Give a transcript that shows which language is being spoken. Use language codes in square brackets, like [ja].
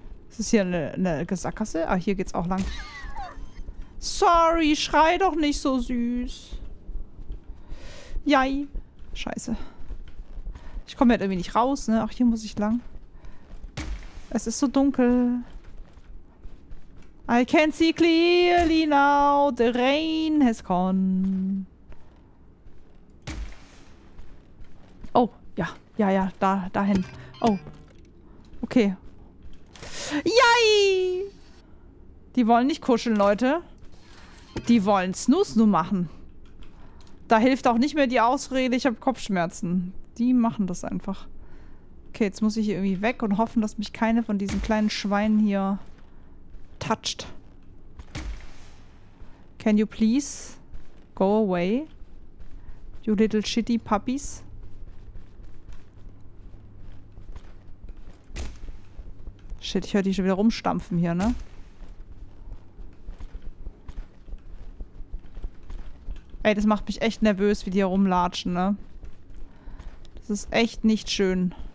[de] Ist das hier eine Sackgasse? Ah, hier geht's auch lang. Sorry, schrei doch nicht so süß. Jai. Scheiße. Ich komme halt irgendwie nicht raus, ne? Ach, hier muss ich lang. Es ist so dunkel. [en] I can see clearly now, the rain has gone. [de] Oh, ja, ja, ja, da, dahin. Oh, okay. Yay! Die wollen nicht kuscheln, Leute. Die wollen Snoo-Snoo machen. Da hilft auch nicht mehr die Ausrede, ich habe Kopfschmerzen. Die machen das einfach. Okay, jetzt muss ich hier irgendwie weg und hoffen, dass mich keine von diesen kleinen Schweinen hier touched. [en] Can you please go away? You little shitty puppies. [de] Shit, ich höre die schon wieder rumstampfen hier, ne? Ey, das macht mich echt nervös, wie die hier rumlatschen, ne? Das ist echt nicht schön.